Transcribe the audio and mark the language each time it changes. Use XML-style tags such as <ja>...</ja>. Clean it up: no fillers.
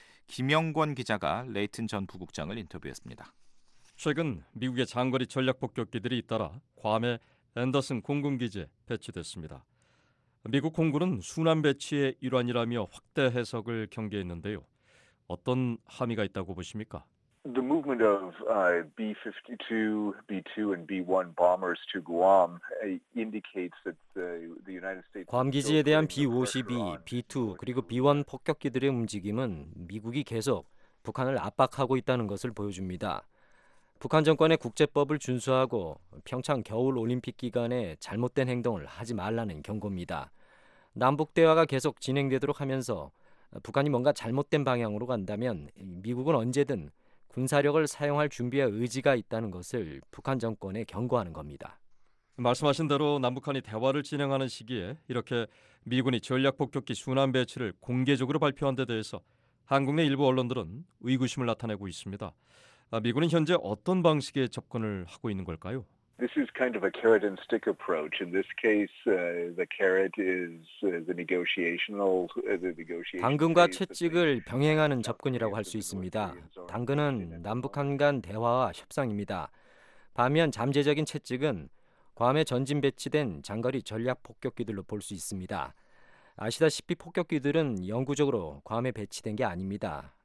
<ko>김영권 기자가 레이튼 전 부국장을 인터뷰했습니다. 최근 미국의 장거리 전략폭격기들이 잇따라 괌에 앤더슨 공군기지 배치됐습니다. 미국 공군은 순환 배치의 일환이라며 확대 해석을 경계했는데요. 어떤 함의가 있다고 보십니까?</ko> <en>The movement of B-52, B-2 and B-1 bombers to Guam indicates that the United States</en> <ko>괌 기지에 대한 B-52, B-2 그리고 B-1 폭격기들의 움직임은 미국이 계속 북한을 압박하고 있다는 것을 보여줍니다. 북한 정권의 국제법을 준수하고 평창 겨울 올림픽 기간에 잘못된 행동을 하지 말라는 경고입니다. 남북 대화가 계속 진행되도록 하면서 북한이 뭔가 잘못된 방향으로 간다면 미국은 언제든 군사력을 사용할 준비와 의지가 있다는 것을 북한 정권에 경고하는 겁니다. 말씀하신 대로 남북한이 대화를 진행하는 시기에 이렇게 미군이 전략폭격기 순환 배치를 공개적으로 발표한 데 대해서 한국 내 일부 언론들은 의구심을 나타내고 있습니다. 미군은 현재 어떤 방식의 접근을 하고 있는 걸까요?</ko> <en>This is kind of a carrot and stick approach. In this case, the carrot is the negotiational.</en> <ko>당근과 채찍을 병행하는 접근이라고 할 수 있습니다. 당근은 남북한 간 대화와 협상입니다. 반면 잠재적인 채찍은 괌에 전진 배치된 장거리 전략 폭격기들로 볼 수 있습니다. 아시다시피 폭격기들은 영구적으로 괌에 배치된 게 아닙니다.</ko>